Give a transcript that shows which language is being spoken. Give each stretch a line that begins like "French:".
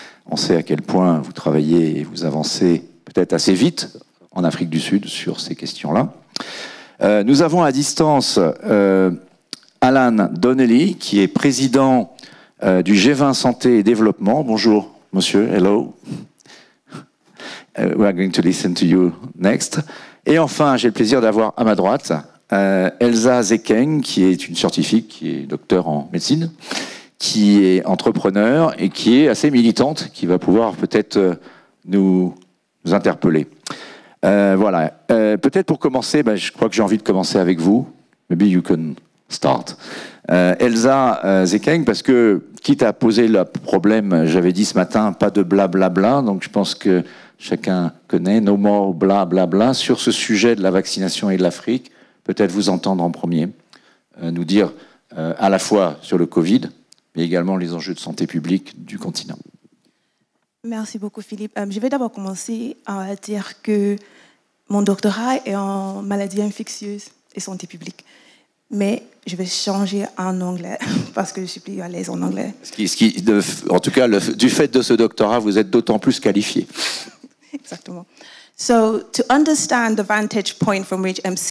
French: On sait à quel point vous travaillez et vous avancez peut-être assez vite en Afrique du Sud sur ces questions-là. Nous avons à distance Alan Donnelly, qui est président du G20 Santé et Développement. Bonjour monsieur,
English: hello. We are going to listen to you next.
French: Et enfin, j'ai le plaisir d'avoir à ma droite Elsa Zekeng, qui est une scientifique, qui est docteur en médecine, qui est entrepreneur et qui est assez militante, qui va pouvoir peut-être nous interpeller. Voilà. Peut-être pour commencer, ben, je crois que j'ai envie de commencer avec vous.
English: Maybe you can start.
French: Elsa Zekeng, parce que, quitte à poser le problème, j'avais dit ce matin, pas de blablabla, donc je pense que chacun connaît,
English: no more blablabla,
French: sur ce sujet de la vaccination et de l'Afrique, peut-être vous entendre en premier, nous dire à la fois sur le Covid, mais également les enjeux de santé publique du continent. Merci beaucoup Philippe. Je vais d'abord commencer à dire que mon doctorat est en maladies infectieuses et santé publique. Mais je vais changer en anglais parce que je suis plus à l'aise en anglais. Du fait de ce doctorat, vous êtes d'autant plus qualifié. Exactement.
English: So to understand the vantage point from which I'm.